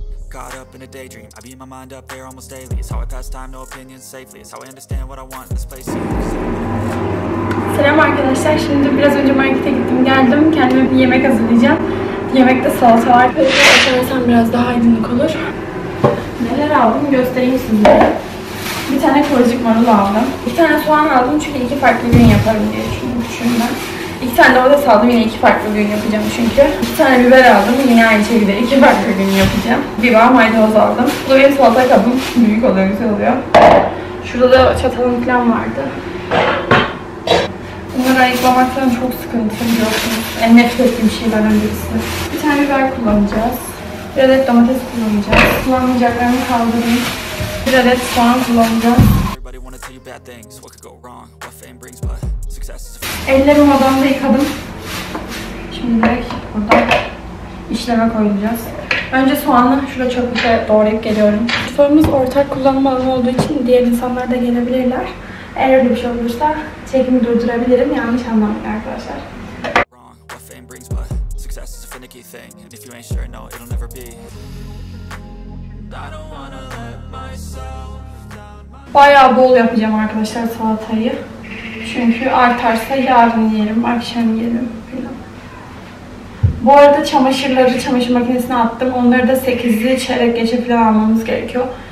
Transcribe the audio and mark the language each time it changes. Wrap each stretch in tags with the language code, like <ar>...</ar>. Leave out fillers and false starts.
<en>Caught up in a daydream, I beat my mind up there almost daily. It's how I pass time, no opinions safely. It's how I understand what I want in this place.</en> <tr>Selam arkadaşlar, şimdi biraz önce markete gittim, geldim. Kendime bir yemek hazırlayacağım. Yemekte salata var. Açarsan biraz daha aydınlık olur. Neler aldım göstereyim sizlere. Bir tane kıvırcık marul aldım. Bir tane soğan aldım çünkü iki farklı gün yaparım diye düşündüm. İki tane domates aldım, yine iki farklı gün yapacağım çünkü. İki tane biber aldım, yine aynı şekilde iki farklı gün yapacağım. Biber maydanoz aldım. Bu da benim salata kabım. Büyük oluyor, güzel oluyor. Şurada da çatalım falan vardı. Bunları ayıklamaktan çok sıkıntı biliyorsunuz. En nefret ettiğim şeylerden birisi. Bir tane biber kullanacağız. Bir adet domates kullanacağız. Kullanmayacaklarını kaldırayım. Bir adet soğan kullanacağım.</tr> <en>Bad things, what could go wrong, what fame brings, but success is free.</en> <tr>Ellerim odamda yıkadım. Şimdi burada işleme koyacağız. Önce soğanı şurada çöplükle doğrayıp geliyorum. Mutfağımız ortak kullanım alanı olduğu için diğer insanlar da gelebilirler. Eğer öyle bir şey olursa çekimi durdurabilirim. Yanlış anlamayın arkadaşlar.</tr> <en>Wrong, what fame brings, but success is a finicky thing. And if you ain't sure, no, it'll never be. I don't wanna let myself.</en> <tr>Bayağı bol yapacağım arkadaşlar salatayı. Çünkü artarsa yarın yerim, akşam yerim falan. Bu arada çamaşırları çamaşır makinesine attım. Onları da 8'li çeyrek geçe falan almamız gerekiyor.</tr>